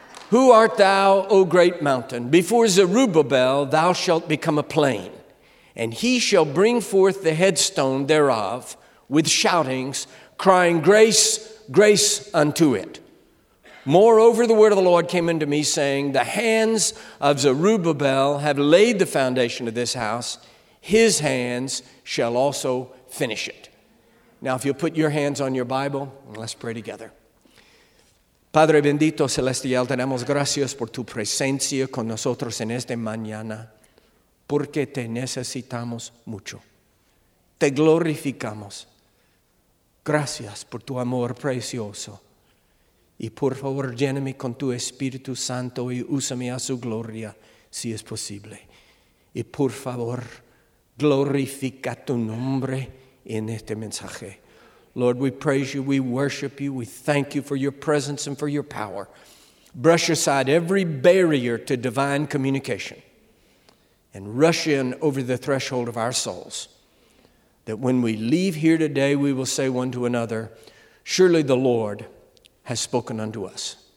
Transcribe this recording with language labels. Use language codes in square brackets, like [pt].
[en] Who art thou, O great mountain? Before Zerubbabel, thou shalt become a plain, and he shall bring forth the headstone thereof with shoutings, crying, grace, grace unto it. Moreover, the word of the Lord came unto me, saying, the hands of Zerubbabel have laid the foundation of this house. His hands shall also finish it. Now, if you'll put your hands on your Bible, let's pray together. [es] Padre bendito celestial, tenemos gracias por tu presencia con nosotros en esta mañana, porque te necesitamos mucho. Te glorificamos. Gracias por tu amor precioso. Y por favor, lléname con tu Espíritu Santo y úsame a su gloria, si es posible. Y por favor, glorifica tu nombre en este mensaje. [en] Lord, we praise you, we worship you, we thank you for your presence and for your power. Brush aside every barrier to divine communication and rush in over the threshold of our souls, that when we leave here today, we will say one to another, surely the Lord has spoken unto us.